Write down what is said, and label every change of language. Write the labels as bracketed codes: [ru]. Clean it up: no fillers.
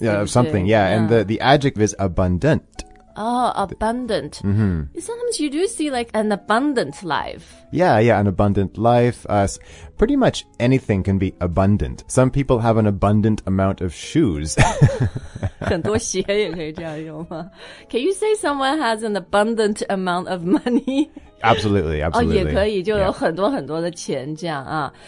[en] Yeah, of something, yeah. And the adjective is abundant. Oh, abundant. Sometimes you do see like an abundant life. Yeah, an abundant life. Pretty much anything can be abundant. Some people have an abundant amount of shoes. [zh] 很多鞋也可以这样用吗？ [en] Can you say someone has an abundant amount of money? Absolutely, absolutely. [zh] 也可以，就有很多很多的钱这样啊。